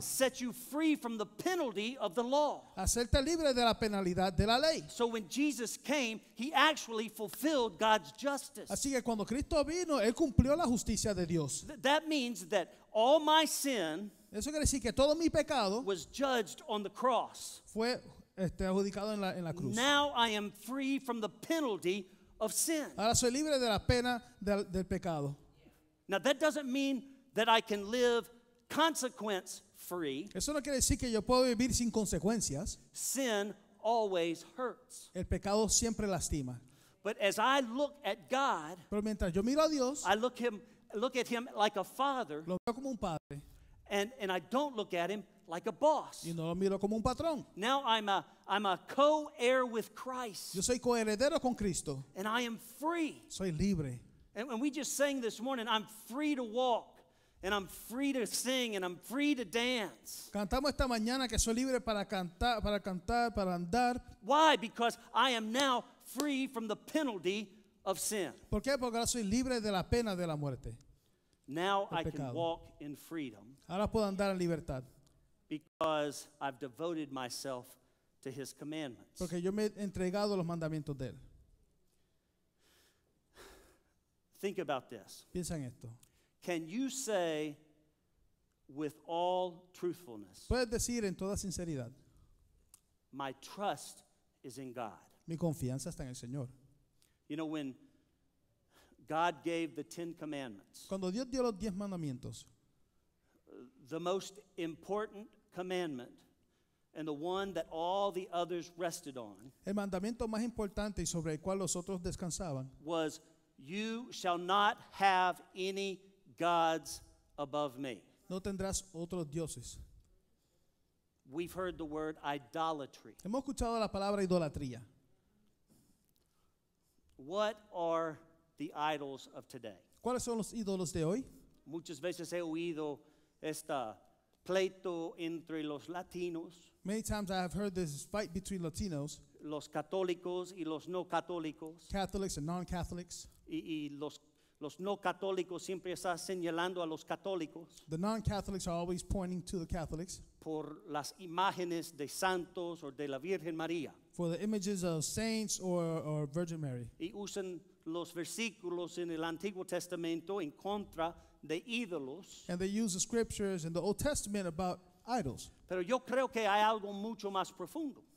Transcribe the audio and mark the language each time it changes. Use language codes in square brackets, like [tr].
[en] Set you free from the penalty of the law. [es] Hacerte libre de la penalidad de la ley. [en] So when Jesus came, he actually fulfilled God's justice. [es] Así que cuando Cristo vino, él cumplió la justicia de Dios. [en] That means that all my sin, [es] eso quiere decir que todo mi pecado, [en] was judged on the cross. [es] Fue adjudicado en la cruz. [en] Now I am free from the penalty of sin. [es] Ahora soy libre de la pena del pecado. [en] Now that doesn't mean that I can live consequence free. [es] Eso no quiere decir que yo puedo vivir sin consecuencias. [en] Sin always hurts. [es] El pecado siempre lastima. [en] But as I look at God, [es] pero mientras yo miro a Dios, [en] I look at him like a father, [es] lo veo como un padre, [en] and I don't look at him like a boss. [es] Y no lo miro como un patrón. [en] Now I'm a co-heir with Christ. [es] Yo soy coheredero con Cristo. [en] And I am free. [es] Soy libre. [en] And we just sang this morning, I'm free to walk. And I'm free to sing and I'm free to dance. [es] Cantamos esta mañana que soy libre para cantar, para andar. [en] Why? Because I am now free from the penalty of sin. [es] ¿Por qué? Porque soy libre de la pena de la muerte. [en] Now I can walk in freedom. [es] Ahora puedo andar en libertad. [en] Because I've devoted myself to his commandments. [es] Porque yo me he entregado los mandamientos de él. [en] Think about this. [es] Piensa en esto. [en] Can you say with all truthfulness, [es] puedes decir en toda sinceridad, [en] my trust is in God. [es] Mi confianza está en el Señor. [en] You know, when God gave the Ten Commandments, [es] cuando Dios dio los diez mandamientos, [en] the most important commandment and the one that all the others rested on, [es] el mandamiento más importante y sobre el cual los otros descansaban, [en] was you shall not have any gods above me. [es] No tendrás otros dioses. [en] We've heard the word idolatry. [es] Hemos escuchado la palabra idolatría. [en] What are the idols of today? [es] ¿Cuáles son los ídolos de hoy? Muchas veces he oído esta pleito entre los latinos. [en] Many times I have heard this fight between Latinos. [es] Los católicos y los no católicos. [en] Catholics and non-Catholics. [es] Los no católicos siempre están señalando a los católicos. [en] The non-Catholics are always pointing to the Catholics. [es] Por las imágenes de santos o de la Virgen María. [en] For the images of saints or Virgin Mary. [es] Y usan los versículos en el Antiguo Testamento en contra de ídolos. [en] And they use the scriptures in the Old Testament about idols. [es] Pero yo creo que hay algo mucho más profundo.